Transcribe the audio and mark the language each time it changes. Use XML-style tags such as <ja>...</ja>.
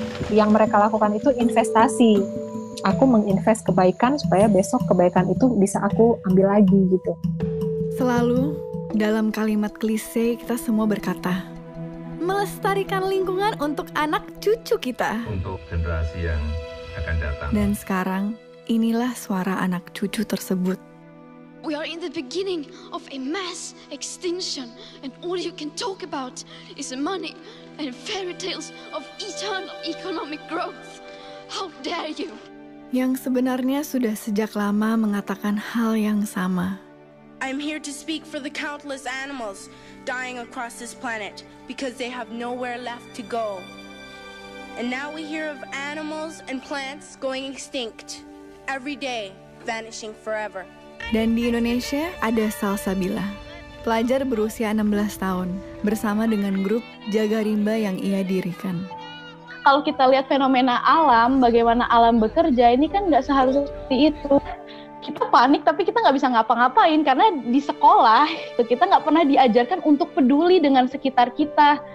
<id>Yang mereka lakukan itu investasi. Aku menginvest kebaikan supaya besok kebaikan itu bisa aku ambil lagi gitu. Selalu dalam kalimat klise kita semua berkata, melestarikan lingkungan untuk anak cucu kita. Untuk generasi yang akan datang. Dan sekarang inilah suara anak cucu tersebut.</id> <en>We are in the beginning of a mass extinction, and all you can talk about is money and fairy tales of eternal economic growth. How dare you?</en> <id>Yang sebenarnya sudah sejak lama mengatakan hal yang sama.</id> <en>I'm here to speak for the countless animals dying across this planet because they have nowhere left to go. And now we hear of animals and plants going extinct every day, vanishing forever.</en> <id>Dan di Indonesia ada Salsabila, pelajar berusia 16 tahun bersama dengan grup Jaga Rimba yang ia dirikan. Kalau kita lihat fenomena alam, bagaimana alam bekerja, ini kan nggak seharusnya seperti itu. Kita panik tapi kita nggak bisa ngapa-ngapain karena di sekolah itu kita nggak pernah diajarkan untuk peduli dengan sekitar kita.</id>